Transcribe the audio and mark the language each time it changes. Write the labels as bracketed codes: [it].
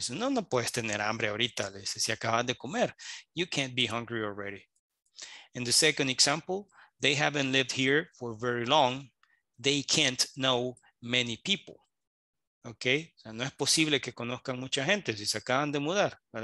[es] So, no, no puedes tener hambre ahorita, dice, si acabas de comer. [en] You can't be hungry already. In the second example, they haven't lived here for very long. They can't know many people, okay? [es] O sea, no es posible que conozcan mucha gente si se acaban de mudar.